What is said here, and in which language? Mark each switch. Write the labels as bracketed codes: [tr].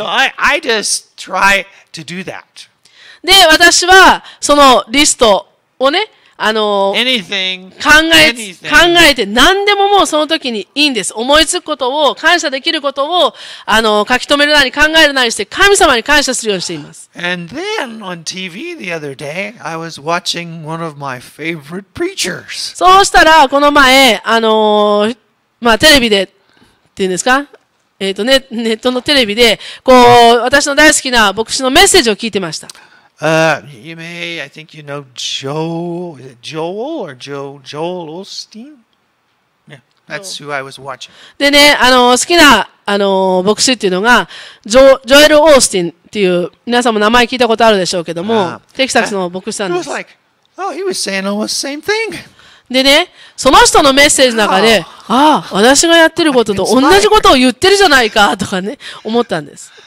[en] So I just try to do that. [ja] で、私は、そのリストをね、あの考えて何でももうその時にいいんです。思いつくことを、感謝できることを、あの書き留めるなり考えるなりして神様に感謝するようにしています。 [en] And then on TV the other day I was watching one of my favorite preachers. [ja] そうしたらこの前あのまあテレビでっていうんですか、ネットのテレビでこう私の大好きな牧師のメッセージを聞いてました。 [en] You may, I think you know Joel, is it Joel or Joel Osteen? Yeah, that's who I was watching. [ja] でね、あの、好きな、あの、牧師っていうのが、ジョエル・オースティンっていう、皆さんも名前聞いたことあるでしょうけども、テキサスの牧師さんです。 [en] It was like, oh, he was saying almost the same thing. [ja] でね、その人のメッセージの中で、ああ、私がやってることと同じことを言ってるじゃないか、とかね、思ったんです。